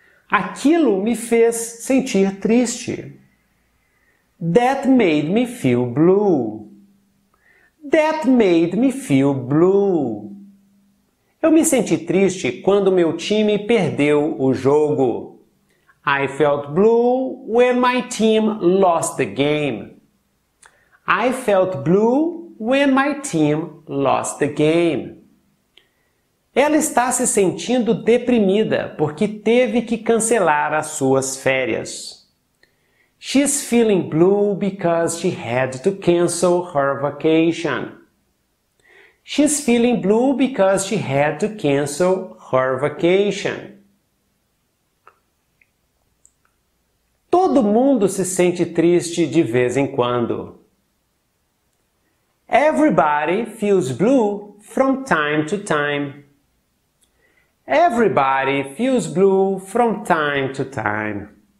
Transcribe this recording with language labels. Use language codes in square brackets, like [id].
[pt] Aquilo me fez sentir triste. [en] That made me feel blue. That made me feel blue. [pt] Eu me senti triste quando meu time perdeu o jogo. [en] I felt blue when my team lost the game. I felt blue when my team lost the game. [pt] Ela está se sentindo deprimida porque teve que cancelar as suas férias. [en] She's feeling blue because she had to cancel her vacation. She's feeling blue because she had to cancel her vacation. [pt] Todo mundo se sente triste de vez em quando. [en] Everybody feels blue from time to time. Everybody feels blue from time to time.